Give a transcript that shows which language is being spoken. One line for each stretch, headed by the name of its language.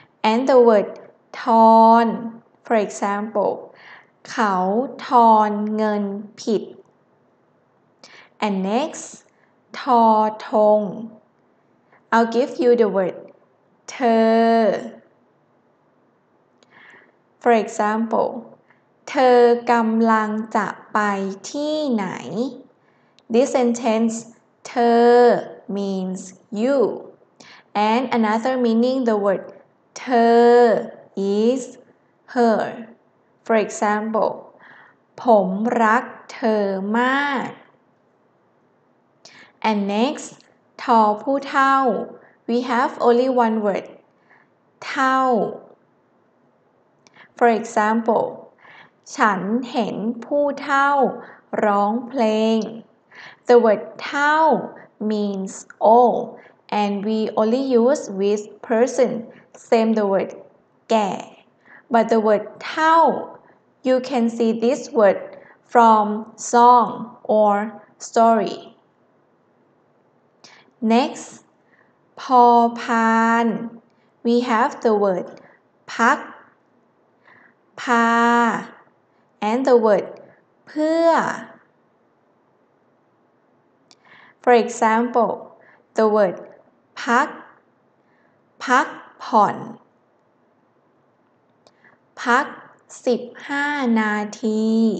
English: And the word ทอน, for example,
Thai: เขาทอนเงินผิด
English: And next, ทอทง I'll give you the word เธอ For example,
Thai: เธอกำลังจะไปที่ไหน
English: This sentence, เธอ means you. And another meaning, the word เธอ is her. For example,
Thai: ผมรักเธอมาก.
English: And next, ทอผู้เฒ่า. We have only one word, เฒ่า. For example,
Thai: ฉันเห็นผู้เฒ่าร้องเพลง
English: The word tao means old, and we only use with person, same the word gae. But the word tao, you can see this word from song or story. Next, พอพาน, we have the word พัก, พา, and the word เพื่อFor example, the word พัก, พักผ่อน, พัก15นาที.